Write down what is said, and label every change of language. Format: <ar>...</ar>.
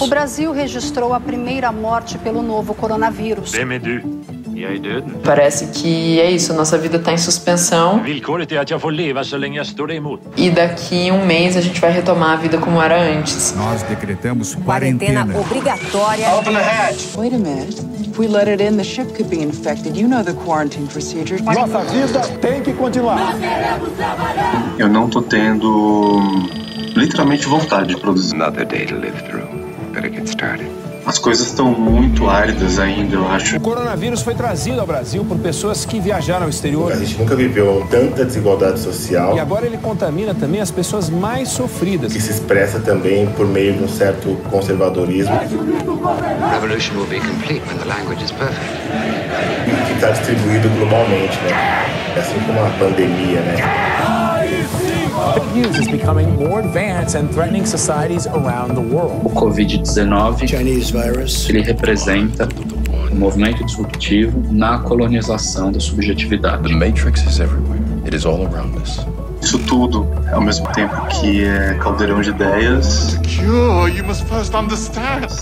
<pt>O Brasil registrou a primeira morte pelo novo coronavírus. Parece que é isso, nossa vida está em suspensão. E daqui um mês a gente vai retomar a vida como era antes. Nós decretamos quarentena obrigatória.</pt> <en>Open the hatch. Wait a minute. If we let it in, the ship could be infected. You know the quarantine procedure.</en> <pt>Nossa vida tem que continuar. Nós queremos trabalhar. Eu não tô tendo literalmente vontade de produzir.</pt> <en>Another day to live through. Better get started.</en> <pt>As coisas estão muito áridas ainda, eu acho. O coronavírus foi trazido ao Brasil por pessoas que viajaram ao exterior. A gente nunca viveu tanta desigualdade social. E agora ele contamina também as pessoas mais sofridas. Que se expressa também por meio de um certo conservadorismo. A revolução vai ser completa quando a língua é perfeita. E que está distribuído globalmente, né? É assim como uma pandemia, né?</pt> <en>The news is becoming more advanced and threatening societies around the world.</en> <pt>O COVID-19,</pt> <en>Chinese virus,</en> <pt>ele representa o movimento disruptivo na colonização da subjetividade.</pt> <en>The matrix is everywhere. It is all around us.</en> <pt>Isso tudo é ao mesmo tempo que é caldeirão de ideias.</pt> <en>Cure, you must first understand.</en>